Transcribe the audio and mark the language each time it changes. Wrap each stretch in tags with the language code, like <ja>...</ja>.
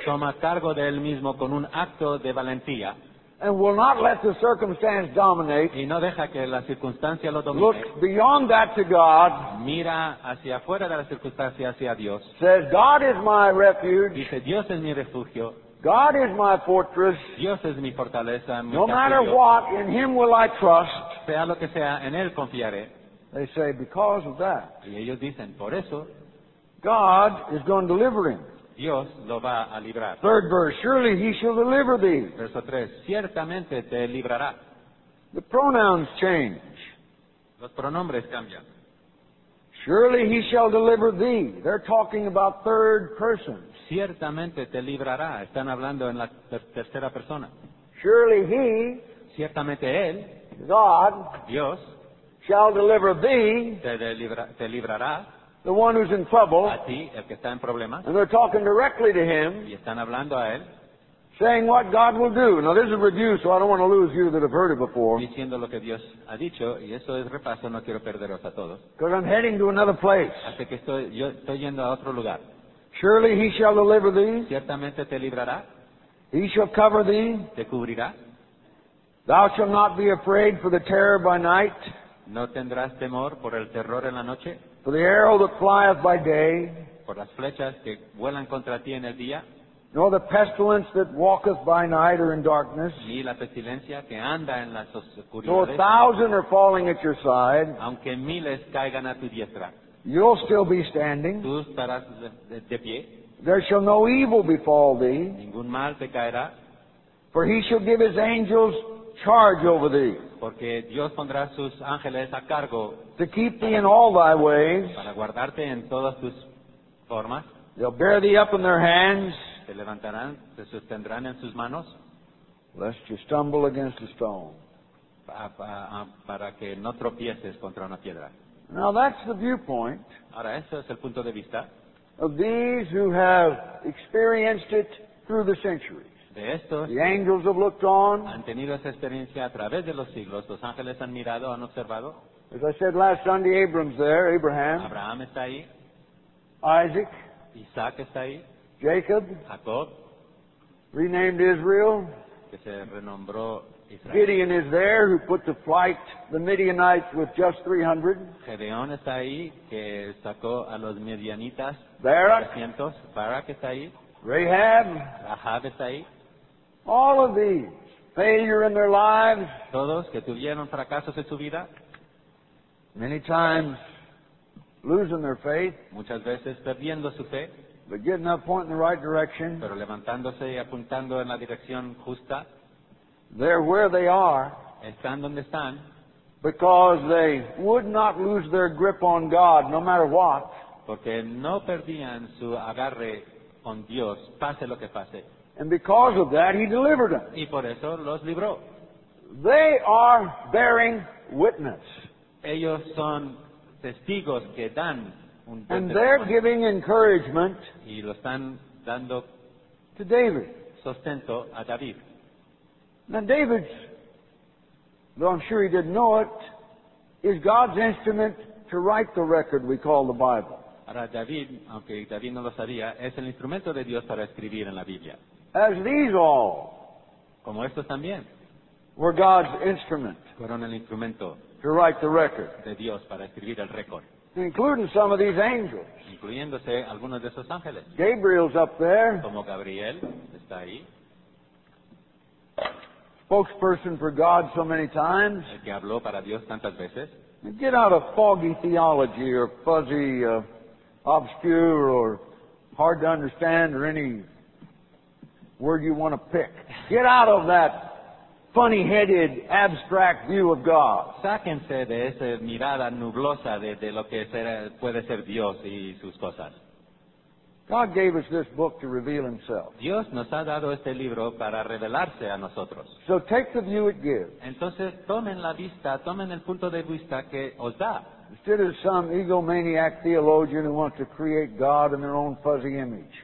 <es>toma cargo de él mismo con un acto de valentía,</es> <en>and will not let the circumstance dominate.</en> <es>Y no deja que la circunstancia lo domine.</es> <en>Looks beyond that to God.</en> <es>Mira hacia afuera de la circunstancia hacia Dios.</es> <en>Says God is my refuge.</en> <es>Dice Dios es mi refugio.</es> <en>God is my fortress.</en> <es>Dios es mi fortaleza. Mi</es> <en>no</en> <es>castillo.</es> <en>Matter what, in Him will I trust.</en> <es>Sea lo que sea, en él confiaré.</es> <en>They say because of that.</en> <es>Y ellos dicen por eso.</es> <en>God is going to deliver him.</en> <es>Dios lo va a librar.</es> <en>Third verse, surely he shall deliver thee.</en> <es>Verso 3, ciertamente te librará.</es> <en>The pronouns change.</en> <es>Los pronombres cambian.</es> <en>Surely he shall deliver thee. They're talking about third person.</en> <es>Ciertamente te librará. Están hablando en la tercera persona.</es> <en>Surely he,</en> <es>ciertamente él,</es> <en>God,</en> <es>Dios,</es> <en>shall deliver thee.</en> <es>Te librará.</es> <en>The one who's in trouble.</en> <es>A ti, el que está en problemas.</es> <en>And they're talking directly to him.</en> <es>Y están hablando a él.</es> <en>Saying what God will do. Now this is review, so I don't want to lose you that have heard it before.</en> <es>Diciendo lo que Dios ha dicho, y eso es repaso, no quiero perderos a todos.</es> <en>Because I'm heading to another place.</en> <es>Así que estoy yendo a otro lugar.</es> <en>Surely he shall deliver thee.</en> <es>Ciertamente te librará.</es> <en>He shall cover thee.</en> <es>Te cubrirá.</es> <en>Thou shalt not be afraid for the terror by night.</en> <es>No tendrás temor por el terror en la noche.</es> <en>For the arrow that flieth by day,</en> <es>por las flechas que vuelan contra ti en el día,</es> <en>nor the pestilence that walketh by night or in darkness,</en> <es>ni la pestilencia que anda en las oscuridades,</es> <en>though a thousand are falling at your side,</en> <es>aunque miles caigan a tu diestra,</es> <en>you'll still be standing,</en> <es>tú estarás de pie,</es> <en>there shall no evil befall thee,</en> <es>ningún mal te caerá,</es> <en>For he shall give his angels charge over thee.</en> <es>Porque Dios pondrá sus ángeles a cargo.</es> <en>To keep thee in all thy ways.</en> <es>Para guardarte en todas tus formas.</es> <en>They'll bear thee up in their hands.</en> <es>Te levantarán, te sostendrán en sus manos.</es> <en>Lest you stumble against a stone.</en> <es>Para que no tropieces contra una piedra.</es> <en>Now that's the viewpoint.</en> <es>Ahora ese es el punto de vista.</es> <en>Of these who have experienced it through the centuries.</en> <es>De estos,</es> <en>the angels have looked on.</en> <es>Han tenido esa experiencia a través de los siglos. Los ángeles han mirado, han observado.</es> <en>As I said last Sunday, Abram's there.</en> <es>Abraham. Abraham está ahí.</es> <en>Isaac.</en> <es>Isaac está ahí.</es> <en>Jacob.</en> <es>Jacob.</es> <en>Renamed Israel.</en> <es>Que se renombró Israel.</es> <en>Gideon is there, who put to flight the Midianites with just 300.</en> <es>Gedeón está ahí, que sacó a los Midianitas.</es> <en>Barak</en> <es>está ahí.</es> <en>Rahab</en> <es>está ahí.</es> <en>All of these, failure in their lives.</en> <es>Todos que tuvieron fracasos en su vida.</es> <en>Many times losing their faith.</en> <es>Muchas veces perdiendo su fe.</es> <en>But getting up, pointing in the right direction.</en> <es>Pero levantándose y apuntando en la dirección justa.</es> <en>They're where they are.</en> <es>Están donde están.</es> <en>Because they would not lose their grip on God, no matter what.</en> <es>Porque no perdían su agarre con Dios, pase lo que pase.</es> <en>And because of that, he delivered them.</en> <es>Y por eso los libró.</es> <en>They are bearing witness.</en> <es>Ellos son testigos que dan.</es> <en>And they're giving encouragement</en> <es>y lo están dando</es> <en>to David.</en> <es>Sustento a David.</es> <en>Now David, though I'm sure he didn't know it, is God's instrument to write the record we call the Bible.</en> <es>Ahora David, aunque David no lo sabía, es el instrumento de Dios para escribir en la Biblia.</es> <en>As these all,</en> <es>como estos también,</es> <en>were God's instrument,</en> <es>fueron el instrumento</es> <en>to write the record</en> <es>de Dios para escribir el récord.</es> <en>Including some of these angels.</en> <es>Incluyéndose algunos de esos ángeles.</es> <en>Gabriel's up there.</en> <es>Como Gabriel está ahí.</es> <en>Spokesperson for God so many times.</en> <es>El que habló para Dios tantas veces.</es> <en>Get out of foggy theology or fuzzy, obscure or hard to understand or any word you want to pick. Get out of that funny-headed, abstract view of God.</en> <es>Sáquense de esa mirada nublosa de lo que puede ser Dios y sus cosas.</es> <en>God gave us this book to reveal Himself.</en> <es>Dios nos ha dado este libro para revelarse a nosotros.</es> <en>So take the view it gives.</en> <es>Entonces tomen la vista, tomen el punto de vista que os da.</es> <en>Instead of some egomaniac theologian who wants to create God in their own fuzzy image.</en>